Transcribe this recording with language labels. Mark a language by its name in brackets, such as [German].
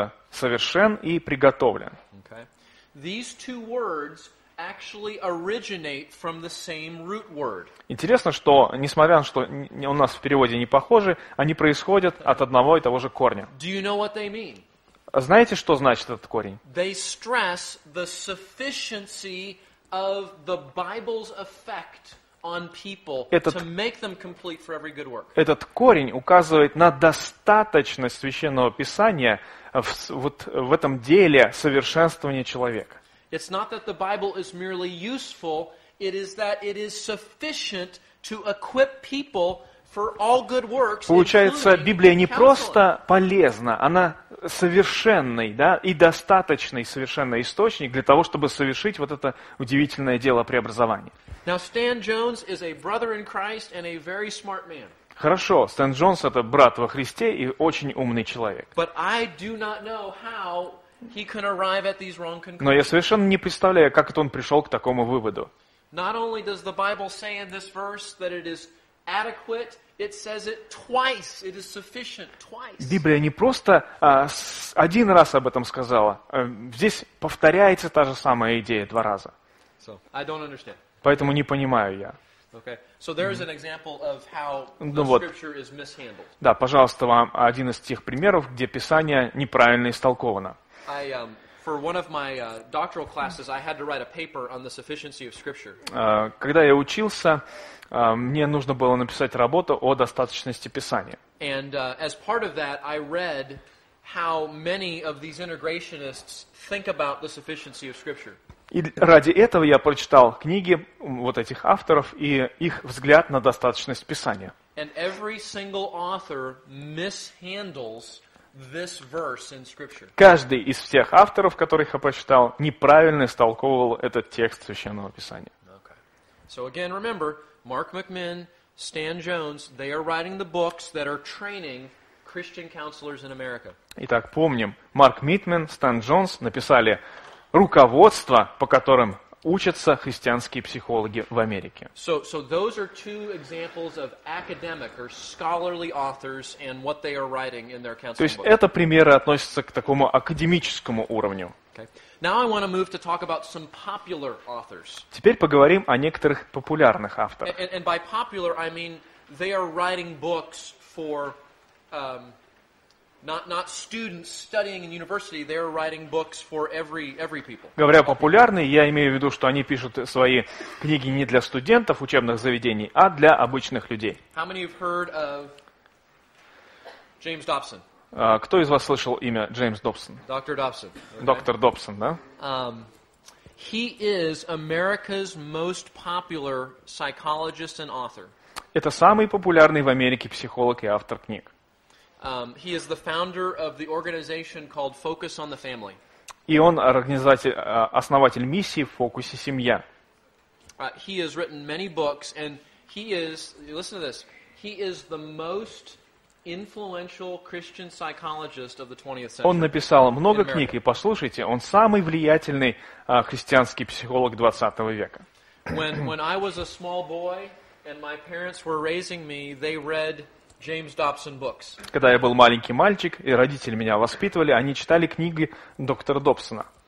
[Russian] Совершен и приготовлен. [English] Okay. These two words actually originate from the same root word. [Russian] Интересно, что, несмотря на что у нас в переводе не похожи, они происходят от одного и того же корня. [English] Do you know what they mean? [Russian] Знаете, что значит этот корень? [English] They stress the sufficiency of the Bible's effect on people to make them complete for every good work. [Russian] Этот корень указывает на достаточность Священного Писания в этом деле совершенствования человека. [English] It's not that the Bible is merely useful, it is that it is sufficient to equip people for all good works. [Russian] Получается, Библия не просто полезна, она совершенный, да, и достаточный совершенный источник для того, чтобы совершить вот это удивительное дело преобразования. [English] Now Stan Jones is a brother in Christ and a very smart man. [Russian] Хорошо, Стэн Джонс это брат во Христе и очень умный человек. [English] But I do not know how he can arrive at these wrong conclusions. [Russian] Но я совершенно не представляю, как это он пришел к такому выводу. [English] Not only does the Bible say in this verse that it is adequate, it says it twice. It is sufficient twice. [Russian] Библия не просто один раз об этом сказала. Здесь повторяется та же самая идея два раза. [English] So, I don't understand. [Russian] Поэтому не понимаю я. [English] Okay. So there is an example of how the scripture is mishandled. [Russian] Да, пожалуйста, вам один из тех примеров, где Писание неправильно истолковано. [English] For one of my doctoral classes, I had to write a paper on the sufficiency of Scripture. [Russian] Когда я учился, мне нужно было написать работу о достаточности Писания. [English] And as part of that, I read how many of these integrationists think about the sufficiency of Scripture. [Russian] И ради этого я прочитал книги вот этих авторов и их взгляд на достаточность Писания. [English] And every single author mishandles this verse in Scripture. [Russian] Каждый из всех авторов, которых я прочитал, неправильно истолковывал этот текст Священного Писания. [English] Okay. So again, remember, Mark McMinn, Stan Jones, they are writing the books that are training Christian counselors in America. [Russian] Итак, помним, Марк Митмен, Стан Джонс написали руководство, по которым учатся христианские психологи в Америке. [English] So those are two examples of academic or scholarly authors and what they are writing in their counseling book. [Russian] То есть это примеры относятся к такому академическому уровню. [English] Okay. Now I want to move to talk about some popular authors. [Russian] Теперь поговорим о некоторых популярных авторах. [English] And by popular I mean they are writing books for not students studying in university, they are writing books for every people. [Russian] Говоря популярные, я имею в виду, что они пишут свои книги не для студентов учебных заведений, а для обычных людей. [English] How many have heard of James Dobson? [Russian] Кто из вас слышал имя Джеймс Добсон? Доктор Добсон. Доктор Добсон, да? [English] He is America's most popular psychologist and author. [Russian] Это самый популярный в Америке психолог и автор книг. [English] He is the founder of the organization called Focus on the Family. [Russian] И он основатель миссии в фокусе семья. [English] He has written many books, and he is, listen to this, he is the most influential Christian psychologist of the 20th century. [Russian] Он написал много книг, и послушайте, он самый влиятельный христианский психолог 20 века. [English] When I was a small boy, and my parents were raising me, they read James Dobson books. [Russian] Когда я был маленький мальчик, и родители меня воспитывали, они читали книги доктора Добсона.